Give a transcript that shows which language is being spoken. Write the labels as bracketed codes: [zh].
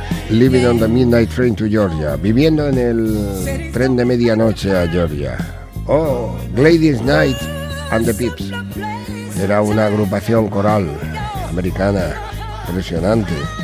[en] Living on the Midnight Train to Georgia. [es] Viviendo en el tren de medianoche a Georgia. [en] Oh, Gladys Knight and the Pips. [es] Era una agrupación coral americana impresionante.